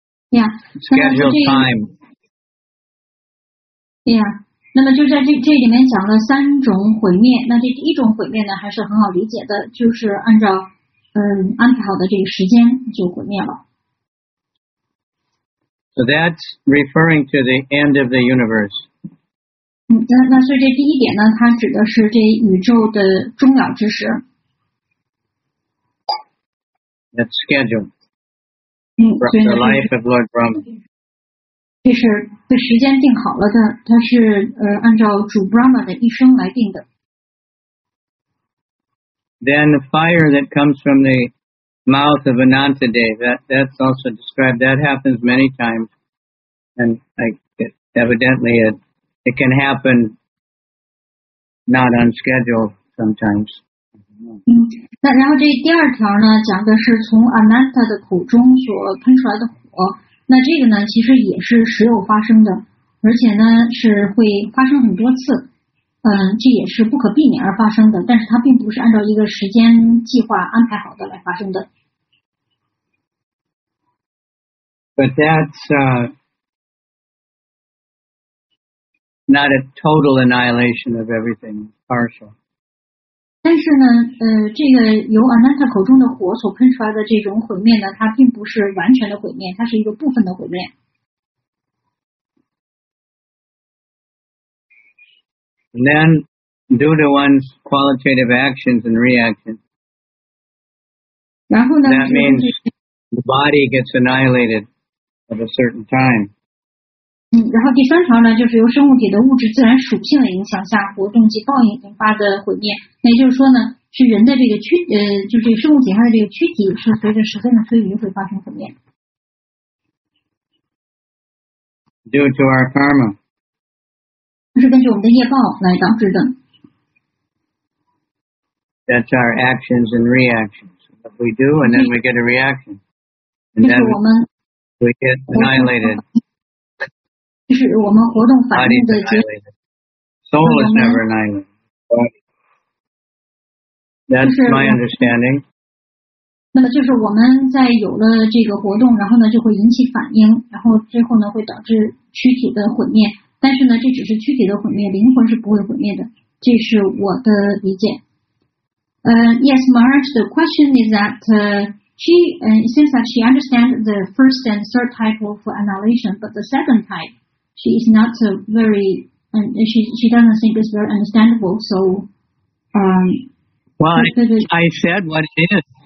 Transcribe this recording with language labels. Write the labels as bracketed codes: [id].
[en] Yeah. Scheduled time. Yeah. [zh] 那么就在这里面讲了三种毁灭。那这一种毁灭呢，还是很好理解的，就是按照安排好的这个时间就毁灭了。 [en] So that's referring to the end of the universe. [zh] 那所以这第一点呢，它指的是这宇宙的终了之时。 [en] That's schedule. The life of Lord Brahma. [zh] 这是被时间定好了的，它是按照主 Brahma 的一生来定的。 [en] Then the fire that comes from the mouth of Anantadeva, that's also described. That happens many times, and evidently it can happen not on schedule sometimes. [zh] 那然后这第二条呢，讲的是从 Ananta 的口中所喷出来的火。那这个呢，其实也是时有发生的，而且呢是会发生很多次。这也是不可避免而发生的，但是它并不是按照一个时间计划安排好的来发生的。 [en] But that's not a total annihilation of everything, partial. [zh] 但是呢，这个由 Ananta 口中的火所喷出来的这种毁灭呢，它并不是完全的毁灭，它是一个部分的毁灭。 [en] And then, due to one's qualitative actions and reactions, [zh] 然后呢, [en] that means the body gets annihilated at a certain time. [zh] 然后第三条呢，就是由生物体的物质自然属性的影响下，活动及报应引发的毁灭。那也就是说呢，是人的这个躯，就是生物体上的这个躯体是随着时间的推移会发生毁灭。 [en] Due to our karma. [zh] 是根据我们的业报来导致的。 [en] That's our actions and reactions. What we do, and then we get a reaction. [zh] 就是我们 [en] we get annihilated. [zh] 就是我们活动反应的结果。 [en] Soul is never annihilated. That's my understanding. [zh] 那么就是我们在有了这个活动，然后呢就会引起反应，然后最后呢会导致躯体的毁灭。但是呢，这只是躯体的毁灭，灵魂是不会毁灭的，这是我的理解。 [en] Yes, Maharaj, the question is that she, it seems that she understands the first and third type of annihilation, but the second type, she is not very, she doesn't think it's very understandable, so... I said what it is.